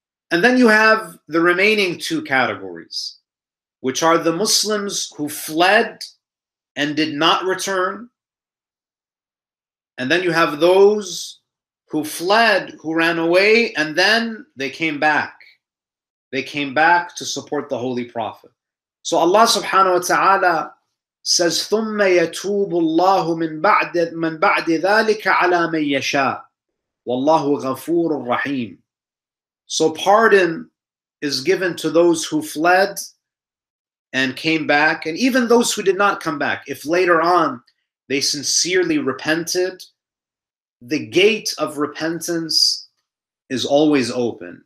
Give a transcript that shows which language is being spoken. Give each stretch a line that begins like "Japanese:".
English: And then you have the remaining two categories, which are the Muslims who fled and did not return. And then you have those who fled, who ran away, and then they came back. They came back to support the Holy Prophet. So Allah subhanahu wa ta'ala says,
Arabic: ثُمَّ يَتُوبُ اللَّهُ مِنْ بَعْدِ ذَلِكَ عَلَى مَنْ يَشَاءُ وَاللَّهُ غَفُورٌ رَحِيمٌ.
English: So pardon is given to those who fled and came back, and even those who did not come back. If later on they sincerely repented, the gate of repentance is always open.